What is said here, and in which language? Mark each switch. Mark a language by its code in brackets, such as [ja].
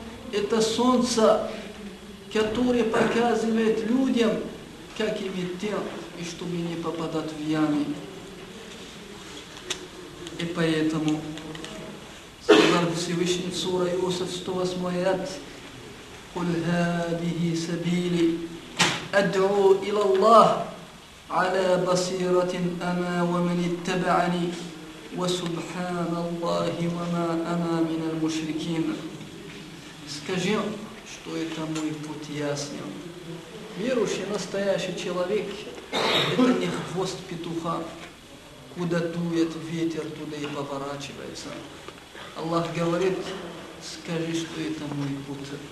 [ru] Это солнце, которое показывает людям, как им идти, и чтобы не попадать в ямы. И поэтому сказал Всевышний сура Иосиф 108 аят: [ar] «Куль хадихи сабили, ад'у иля Аллах». على بصيرة أنا ومن اتبعني وسبحان الله وما أنا من المشركين. [ru] Скажи, что это мой путь ясный. Верующий, настоящий человек, это не хвост петуха, куда дует ветер, туда и поворачивается. Аллах говорит, скажи, что это мой путь.